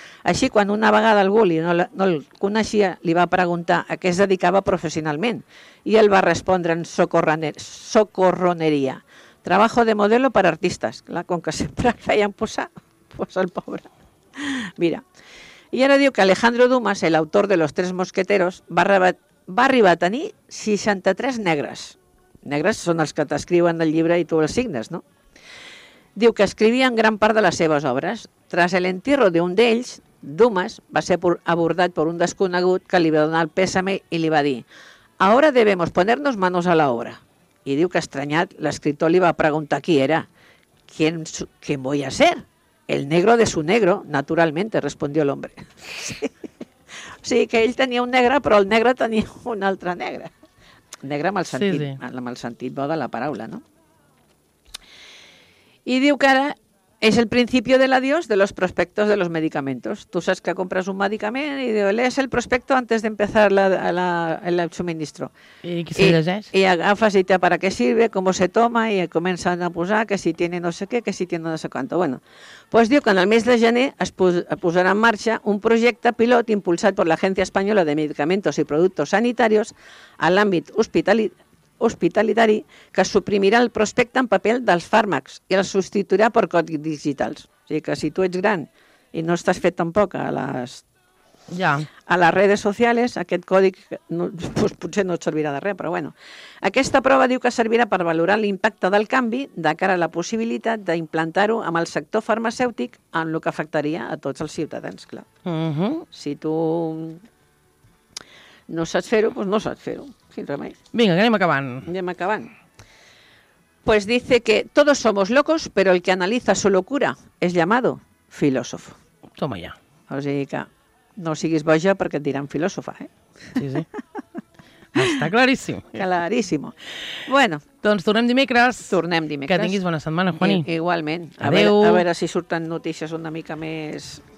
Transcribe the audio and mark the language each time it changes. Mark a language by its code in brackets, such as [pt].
[ca] Així, quan una vegada algú no el coneixia, li va preguntar a què es dedicava professionalment i ell va respondre en socorroneria. [es] Trabajo de modelo para artistas. [ca] Clar, com que sempre el feien posar, pues el pobre. Mira, i ara diu que Alejandro Dumas, l'autor de Los Tres Mosqueteros, va arribar a tenir 63 negres. Negres són els que t'escriuen el llibre i tu els signes, no? Diu que escrivien gran part de les seves obres. [es] Tras el entierro [ca] d'un d'ells, Dumas va ser abordat per un desconegut que li va donar el pésame i li va dir [es] «Ahora debemos ponernos manos a la obra». [ca] I diu que, estranyat, l'escriptor li va preguntar qui era. [es] «¿Quién voy a ser?». «El negro de su negro, naturalmente», respondió l'hombre. [ca] Sí. Sí, que ell tenia un negre, però el negre tenia un altre negre. Negre amb el sentit, sí, sí. Amb el sentit bo de la paraula, no? I diu que ara és el principi de l' [es] adiós de los prospectos de los medicamentos. [ca] Tu saps que compres un medicament i diu, [es] lees el prospecto antes de empezar el suministro. [ca] I qui se llegeix? I agafes i te [es] para qué sirve, cómo se toma, [ca] i comencen a posar que [es] si tiene no sé qué, que si tiene no sé cuánto. [ca] Bueno, pues diu que en el mes de gener es posarà en marxa un projecte pilot impulsat per l'Agència Espanyola de Medicamentos i Productos Sanitarios a l'àmbit hospitalitari que suprimirà el prospecte en paper dels fàrmacs i el substituirà per codis digitals. O sigui que si tu ets gran i no estàs fet tampoc a les redes socials, aquest codi no, pues, potser no et servirà de res, però bueno. Aquesta prova diu que servirà per valorar l'impacte del canvi de cara a la possibilitat d'implantar-ho amb el sector farmacèutic en el que afectaria a tots els ciutadans, clar. Mm-hmm. Si tu no saps fer-ho, doncs pues no saps fer-ho. Venga, que anem acabant. Anem acabant. [es] Pues dice que todos somos locos, pero el que analiza su locura es llamado filósofo. Toma ya. [ca] O sigui que no siguis boja perquè et diran filòsofa, eh? Sí, sí. Està claríssim. Claríssim. Bueno. Doncs tornem dimecres. Tornem dimecres. Que tinguis bona setmana, Juani. Igualment. Adéu. A veure si surten notícies una mica més...